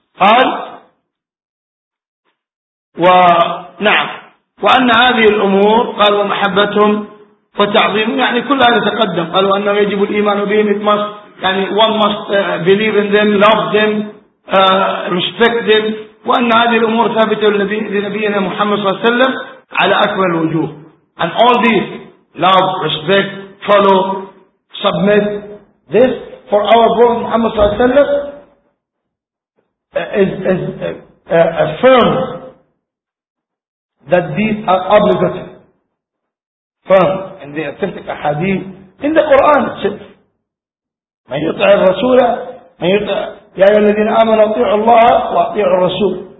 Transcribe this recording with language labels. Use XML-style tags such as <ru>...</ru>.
<ar>قال ونعم وأن هذه الأمور قال ومحبتهم وتعظيم يعني كل هذا تقدم. قالوا أنه يجب الإيمان بهم</ar> <en>must, يعني one must believe in them, love them, respect them.</en> <ar>وأن هذه الأمور ثابتة لنبينا محمد صلى الله عليه وسلم على أكمل الوجوه.</ar> <en>And all these love, respect, follow, submit, this for our brother Muhammad صلى الله عليه وسلم is affirm that these are obligatory. Firm in the authentic hadith in the Quran itself.</en> <ar>من يطع الرسول من يطع يا أيها الذين آمنوا أطيعوا الله وأطيعوا الرسول.</ar>